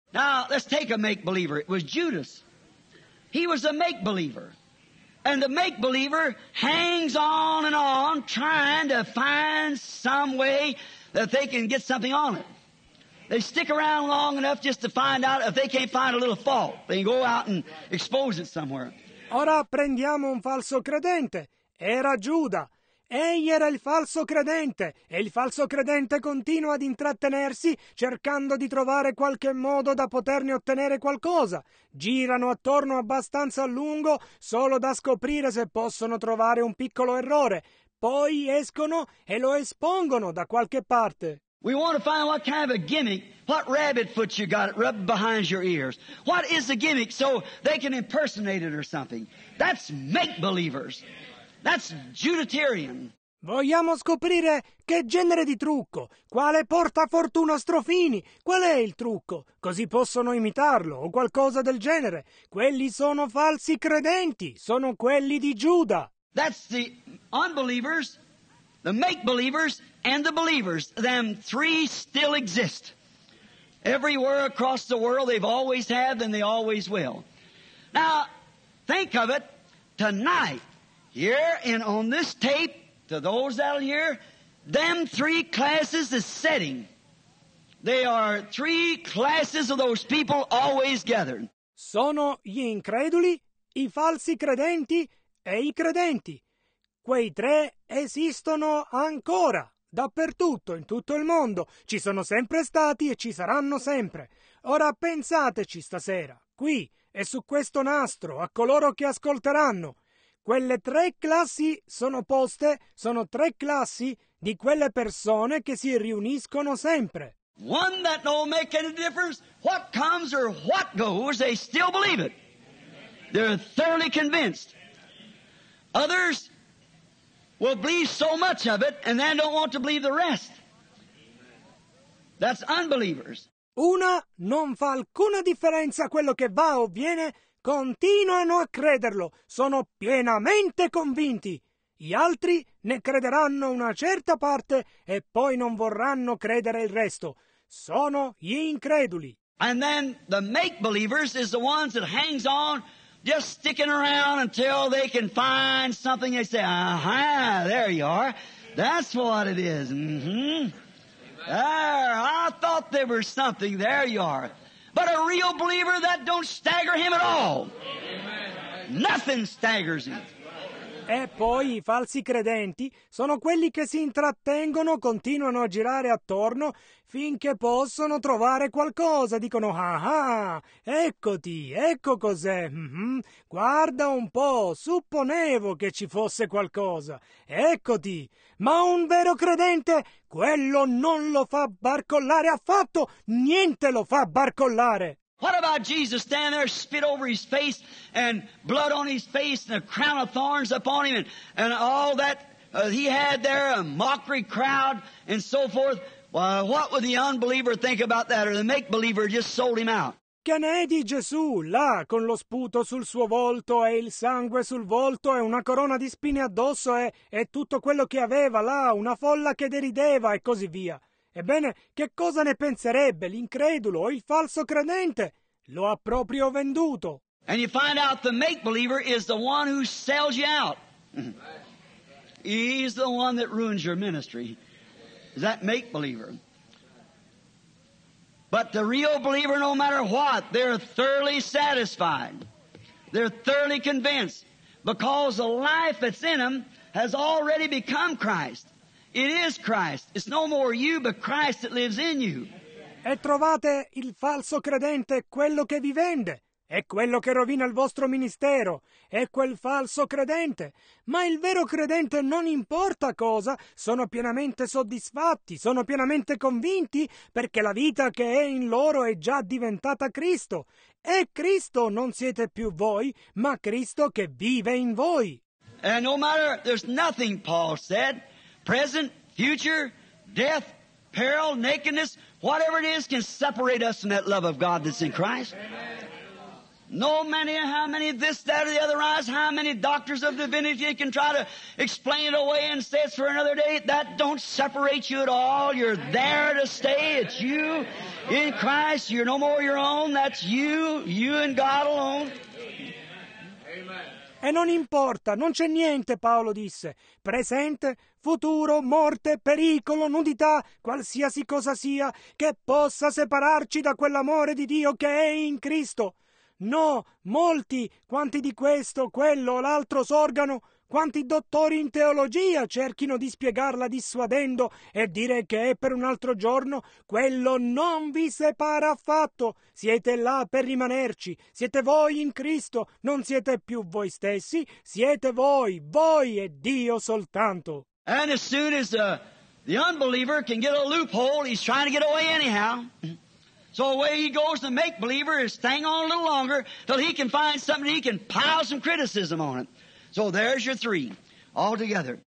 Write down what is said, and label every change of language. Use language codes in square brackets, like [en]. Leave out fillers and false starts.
[en] Now, let's take a make-believer. It was Judas. He was a make-believer. And the make-believer hangs on and on trying to find some way that they can get something on it. They stick around long enough just to find out if they can't find a little fault. They can go out and expose it somewhere. [it] Ora prendiamo un falso credente. Era Giuda. Egli era il falso credente. E il falso credente continua ad intrattenersi cercando di trovare qualche modo da poterne ottenere qualcosa. Girano attorno abbastanza a lungo solo da scoprire se possono trovare un piccolo errore. Poi escono e lo espongono da qualche parte. [en] We want to find what kind of a gimmick, what rabbit foot you got rubbed behind your ears. What is the gimmick so they can impersonate it or something? That's make-believers. That's Judatarian. [it] Vogliamo scoprire che genere di trucco, quale portafortuna strofini, qual è il trucco, così possono imitarlo o qualcosa del genere. Quelli sono falsi credenti, sono quelli di Giuda. [en] That's the unbelievers. The make-believers and the believers, them three still exist. Everywhere across the world, they've always had and they always will. Now, think of it, tonight, here and on this tape, to those out here, them three classes is setting. They are three classes of those people always gathered. [it] Sono gli increduli, i falsi credenti e i credenti. Quei tre esistono ancora, dappertutto, in tutto il mondo. Ci sono sempre stati e ci saranno sempre. Ora pensateci stasera, qui e su questo nastro, a coloro che ascolteranno. Quelle tre classi sono poste, sono tre classi di quelle persone che si riuniscono sempre. [en] One that no make any difference, what comes or what goes, they still believe it. They're thoroughly convinced. Others will believe so much of it and then don't want to believe the rest. That's unbelievers. [it] Una non fa alcuna differenza quello che va o viene, continuano a crederlo, sono pienamente convinti. Gli altri ne crederanno una certa parte e poi non vorranno credere il resto. Sono gli increduli. [en] And then the make believers is the ones that hangs on, just sticking around until they can find something. They say, aha, there you are. That's what it is. Mm-hmm. There, I thought there was something. There you are. But a real believer, that don't stagger him at all. Amen. Nothing staggers him. [it] E poi i falsi credenti sono quelli che si intrattengono, continuano a girare attorno finché possono trovare qualcosa. Dicono, ah, eccoti, ecco cos'è, guarda un po', supponevo che ci fosse qualcosa, eccoti. Ma un vero credente, quello non lo fa barcollare affatto, niente lo fa barcollare. [en] What about Jesus standing there, spit over his face, and blood on his face, and a crown of thorns upon him, and all that he had there, a mockery crowd, and so forth? Well, what would the unbeliever think about that, or the make-believer just sold him out? [it] Che ne è di Gesù, là, con lo sputo sul suo volto e il sangue sul volto e una corona di spine addosso e tutto quello che aveva, là, una folla che derideva e così via? Ebbene, che cosa ne penserebbe l'incredulo o il falso credente? Lo ha proprio venduto. [en] And you find out the make-believer is the one who sells you out. He's the one that ruins your ministry. That make-believer. But the real believer, no matter what, they're thoroughly satisfied. They're thoroughly convinced because the life that's in them has already become Christ. It is Christ. It's no more you, but Christ that lives in you. [it] E trovate il falso credente, quello che vi vende. È quello che rovina il vostro ministero. È quel falso credente. Ma il vero credente non importa cosa. Sono pienamente soddisfatti, sono pienamente convinti, perché la vita che è in loro è già diventata Cristo. È Cristo, non siete più voi, ma Cristo che vive in voi. [en] And no matter, there's nothing, Paul said. Present, future, death, peril, nakedness, whatever it is can separate us from that love of God that's in Christ. No matter how many this, that, or the other eyes, how many doctors of divinity can try to explain it away and say it's for another day, that don't separate you at all. You're there to stay. It's you in Christ. You're no more your own. That's you, you and God alone. [it] E non importa, non c'è niente, Paolo disse, presente, futuro, morte, pericolo, nudità, qualsiasi cosa sia, che possa separarci da quell'amore di Dio che è in Cristo. No, molti, quanti di questo, quello, l'altro sorgano, quanti dottori in teologia cerchino di spiegarla dissuadendo e dire che è per un altro giorno, quello non vi separa affatto. Siete là per rimanerci, siete voi in Cristo, non siete più voi stessi, siete voi, voi e Dio soltanto. [en] And as soon as the unbeliever can get a loophole, he's trying to get away anyhow. So away he goes, the make-believer is staying on a little longer till he can find something he can pile some criticism on it. So there's your three, all together.